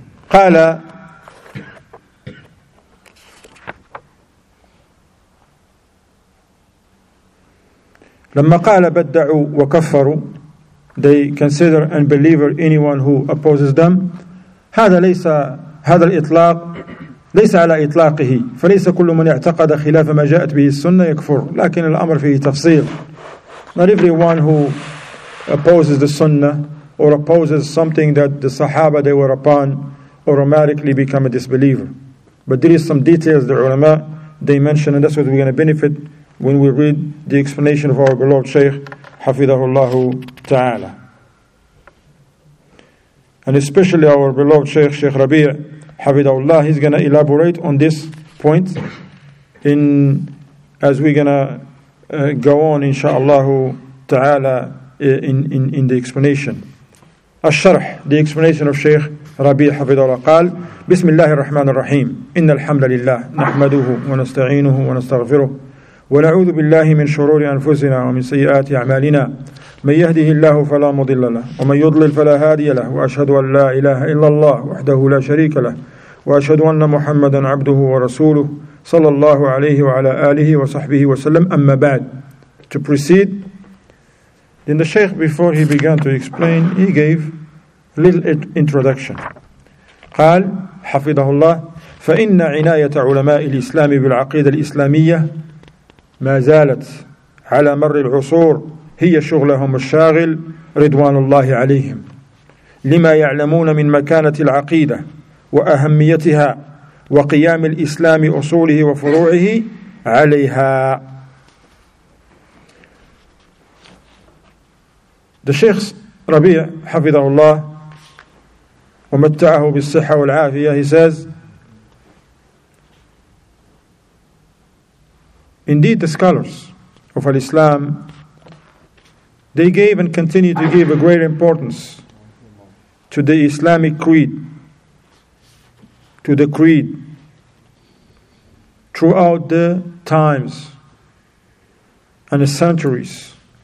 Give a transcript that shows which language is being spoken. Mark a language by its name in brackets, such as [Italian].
[Arabic] قال لما قال بدعوا وكفروا, [English] they consider unbeliever anyone who opposes them. [Arabic] هذا ليس, هذا الإطلاق ليس على إطلاقه, فليس كل من اعتقد خلاف ما جاءت به السنة يكفر, لكن الأمر فيه تفصيل. [English] Not everyone who opposes the Sunnah or opposes something that the Sahaba they were upon automatically become a disbeliever. But there is some details the ulama, they mention, and that's what we're going to benefit when we read the explanation of our beloved Shaykh, Hafidhahullahu Ta'ala. And especially our beloved Shaykh, Shaykh Rabi', Hafidhahullah, he's going to elaborate on this point in as we're going to go on, inshaAllahu Ta'ala, in the explanation. [Arabic] الشرح, [English] the explanation of Shaykh [Arabic] ربيع حفظه الله, قال بسم الله الرحمن الرحيم إن الحمد لله نحمده ونستعينه ونستغفره ونعوذ بالله من شرور أنفسنا ومن سيئات أعمالنا, من يهده الله فلا مضل له ومن يضلل فلا هادي له, وأشهد أن لا إله إلا الله وحده لا شريك له, وأشهد أن محمدا عبده ورسوله صلى الله عليه وعلى آله وصحبه وسلم. أما بعد, [English] to proceed, then the Shaykh, before he began to explain, he gave a little introduction. [Arabic] قال حفظه الله فإن عناية علماء الإسلام بالعقيدة الإسلامية ما زالت على مر العصور هي شغلهم الشاغل رضوان الله عليهم, لما يعلمون من مكانة العقيدة وأهميتها وقيام الإسلام أصوله وفروعه عليها. [English] The Sheikh Rabi' Hafidhahullah, [Arabic] ومتعه بالصحة والعافية, [English] he says, indeed the scholars of Al-Islam, they gave and continue to give a great importance to the Islamic creed, to the creed throughout the times and the centuries.